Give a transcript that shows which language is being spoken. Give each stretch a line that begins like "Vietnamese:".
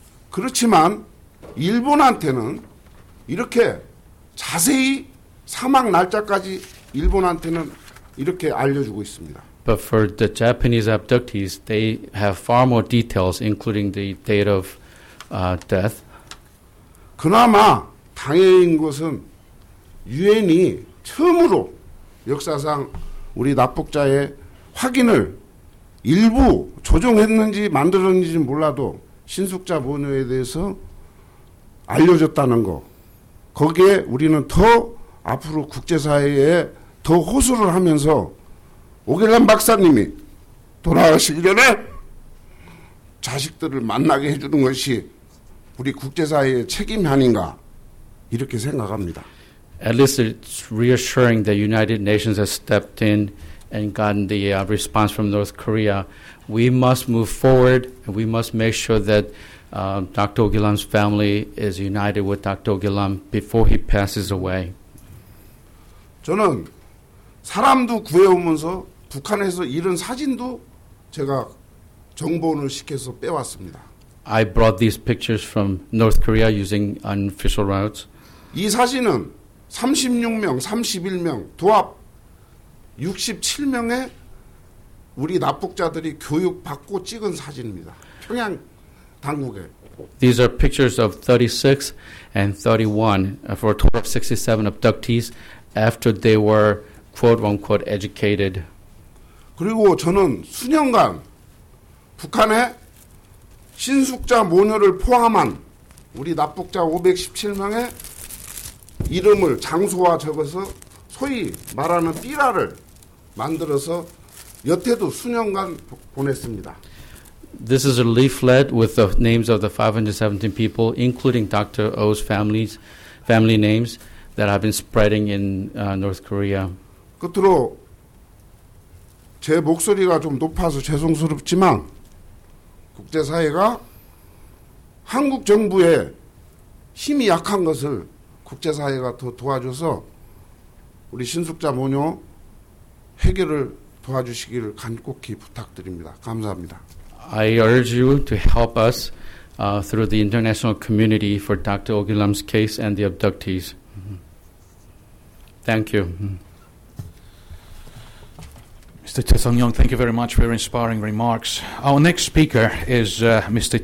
Korean: 그렇지만 일본한테는 이렇게 자세히 사망 날짜까지 일본한테는 이렇게 알려주고 있습니다.
English: But for the Japanese abductees, they have far more details, including the date of death.
Korean: 그나마 다행인 것은 유엔이 처음으로 역사상 우리 납북자의 확인을 일부 조정했는지 만들었는지 몰라도 신숙자 모녀에 대해서 알려줬다는 거. 거기에 우리는 더 앞으로 국제사회에 더 호소를 하면서 오길란 박사님이 돌아가시기 전에 자식들을 만나게 해주는 것이 우리 국제사회의 책임 아닌가 이렇게 생각합니다.
English: At least it's reassuring that United Nations has stepped in and gotten the response from North Korea. We must move forward and we must make sure that Dr. Ogilam's family is united with Dr. Ogilam before he passes away.
Korean: 저는 사람도 구해오면서 북한에서 이런 사진도 제가 정보원을 시켜서 빼왔습니다.
English: I brought these pictures from North Korea using unofficial routes.
Korean: 이 사진은 36명, 31명, 도합 67명의 우리 납북자들이 교육받고 찍은 사진입니다. 평양 당국에.
English: These are pictures of 36 and 31 for a total of 67 abductees after they were quote-unquote educated.
Korean: 그리고 저는 수년간 북한의 신숙자 모녀를 포함한 우리 납북자 517명의 이름을 장소와 적어서 소위 말하는 삐라를 만들어서 여태도 수년간 보냈습니다.
English: This is a leaflet with the names of the 517 people, including Dr. O's family's family names that I've been spreading in North Korea.
Korean: 끝으로 제 목소리가 좀 높아서 죄송스럽지만 국제사회가 한국 정부의 힘이 약한 것을 국제사회가 더 도와줘서 우리 신숙자 모녀 해결을 도와주시기를 간곡히 부탁드립니다. 감사합니다.
English: I urge you to help us through the international community for Dr. Ogilam's case and the abductees. Thank you. Mr. Tae Sung-yong, thank you very much for your inspiring remarks. Our next speaker is Mr.